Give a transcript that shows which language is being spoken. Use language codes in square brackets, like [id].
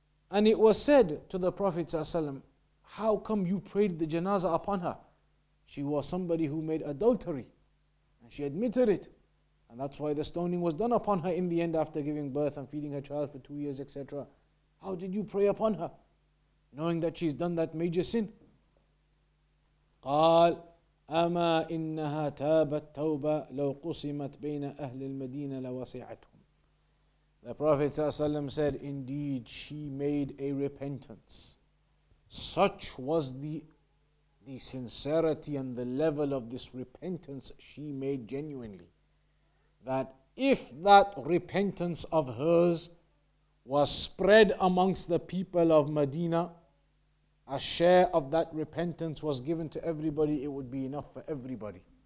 [en] And it was said to the Prophet ﷺ, how come you prayed the janazah upon her? She was somebody who made adultery, and she admitted it. And that's why the stoning was done upon her in the end after giving birth and feeding her child for 2 years, etc. How did you pray upon her, knowing that she's done that major sin? [ar] قال أما إنها تابت توبة لو قسمت بين أهل المدينة لوسعتهم. [en] The Prophet ﷺ said, indeed, she made a repentance. Such was the sincerity and the level of this repentance she made genuinely, that if that repentance of hers was spread amongst the people of Medina, a share of that repentance was given to everybody, it would be enough for everybody.